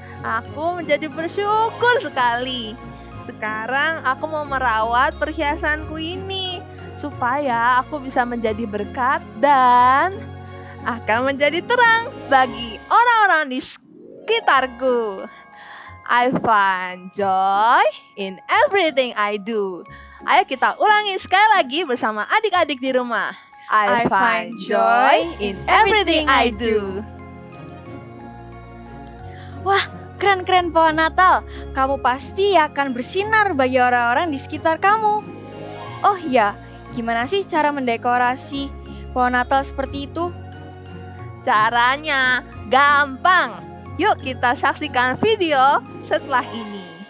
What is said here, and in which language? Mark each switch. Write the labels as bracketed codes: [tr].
[id] Aku menjadi bersyukur sekali. Sekarang aku mau merawat perhiasanku ini. Supaya aku bisa menjadi berkat dan akan menjadi terang bagi orang-orang di sekitarku. [en] I find joy in everything I do. [id] Ayo kita ulangi sekali lagi bersama adik-adik di rumah. [en] I find joy in everything I do. [id] Wah, keren-keren pohon Natal. Kamu pasti akan bersinar bagi orang-orang di sekitar kamu. Oh ya, gimana sih cara mendekorasi pohon Natal seperti itu? Caranya gampang. Yuk kita saksikan video setelah ini.